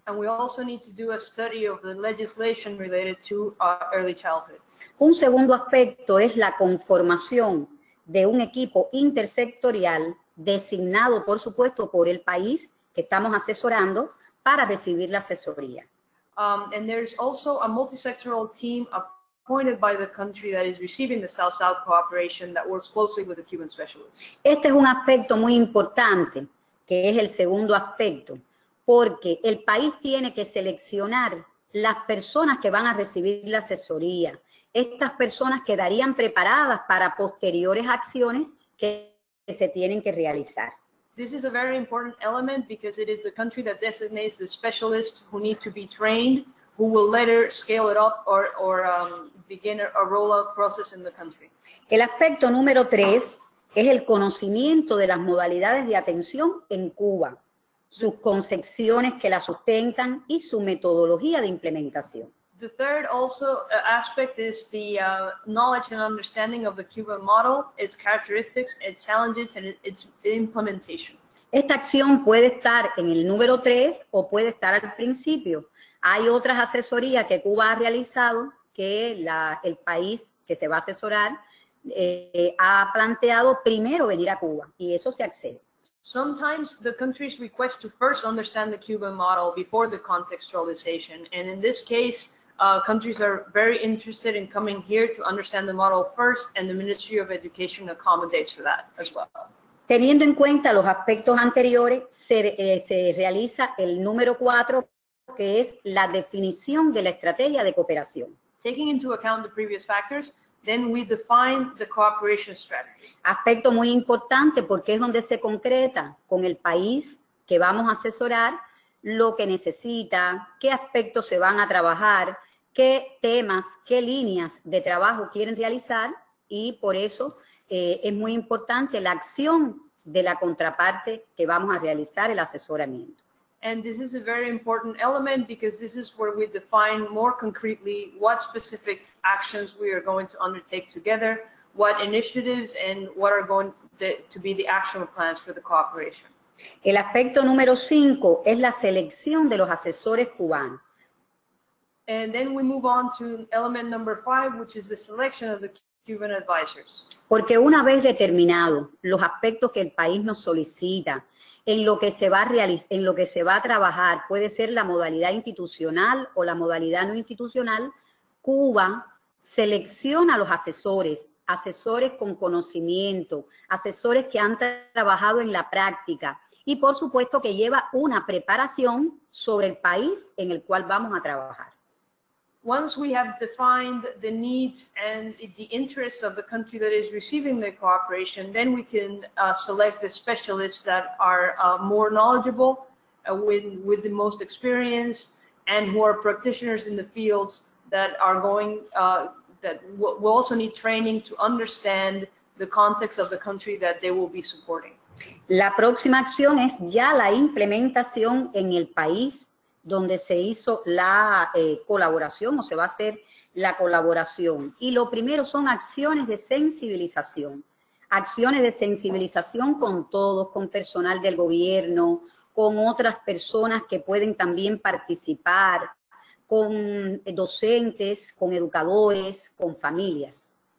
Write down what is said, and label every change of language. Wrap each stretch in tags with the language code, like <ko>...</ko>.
<en>And we also need to do a study of the legislation related to our early childhood.</en> <es>Un segundo aspecto es la conformación de un equipo intersectorial designado, por supuesto, por el país que estamos asesorando para recibir la asesoría.</es> <en>And there's also a multi-sectoral team appointed by the country that is receiving the South-South cooperation that works closely with the Cuban specialists.</en> <es>Este es un aspecto muy importante, que es el segundo aspecto, porque el país tiene que seleccionar las personas que van a recibir la asesoría, estas personas quedarían preparadas para posteriores acciones que se tienen que realizar.</es> <en>This is a very important element because it is the country that designates the specialists who need to be trained, who will later scale it up or begin a rollout process in the country.</en> <es>El aspecto número tres es el conocimiento de las modalidades de atención en Cuba, sus concepciones que la sustentan y su metodología de implementación.</es> <en>The third also aspect is the knowledge and understanding of the Cuban model, its characteristics, its challenges, and its implementation.</en> <es>Esta acción puede estar en el número tres o puede estar al principio. Hay otras asesorías que Cuba ha realizado que el país que se va a asesorar ha planteado primero venir a Cuba y eso se accede.</es> <en>Sometimes the countries request to first understand the Cuban model before the contextualization, and in this case, countries are very interested in coming here to understand the model first, and the Ministry of Education accommodates for that as well.</en> <es>Teniendo en cuenta los aspectos anteriores, se realiza el número cuatro, que es la definición de la estrategia de cooperación.</es> <en>Taking into account the previous factors, then we define the cooperation strategy.</en> <es>Aspecto muy importante porque es donde se concreta con el país que vamos a asesorar lo que necesita, qué aspectos se van a trabajar, qué temas, qué líneas de trabajo quieren realizar y por eso es muy importante la acción de la contraparte que vamos a realizar el asesoramiento.</es> <en>And this is a very important element because this is where we define more concretely what specific actions we are going to undertake together, what initiatives and what are going to be the action plans for the cooperation.</en> <es>El aspecto número 5 es la selección de los asesores cubanos.</es> <en>And then we move on to element number 5, which is the selection of the Cuban advisors.</en> <es>Porque una vez determinado los aspectos que el país nos solicita, en lo que se va a realizar, en lo que se va a trabajar, puede ser la modalidad institucional o la modalidad no institucional, Cuba selecciona los asesores, asesores con conocimiento, asesores que han trabajado en la práctica y por supuesto que lleva una preparación sobre el país en el cual vamos a trabajar.</es> <en>Once we have defined the needs and the interests of the country that is receiving the cooperation, then we can select the specialists that are more knowledgeable, with the most experience, and who are practitioners in the fields that are going, that will also need training to understand the context of the country that they will be supporting.</en> <es>La próxima acción es ya la implementación en el país donde se hizo la colaboración o se va a hacer la colaboración. Y lo primero son acciones de sensibilización con todos, con personal del gobierno, con otras personas que pueden también participar, con docentes, con educadores, con familias.</es>